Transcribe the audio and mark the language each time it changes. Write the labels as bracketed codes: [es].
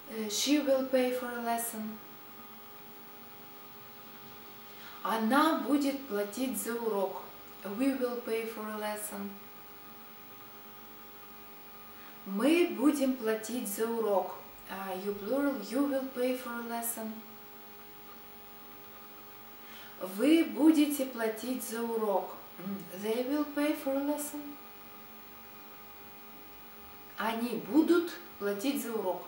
[en] She will pay for a lesson. [ru] Она будет платить за урок. [en] We will pay for a lesson. [ru] Мы будем платить за урок. [en] You plural, you will pay for a lesson. [ru] Вы будете платить за урок. [en] They will pay for a lesson. [ru] Они будут платить за урок.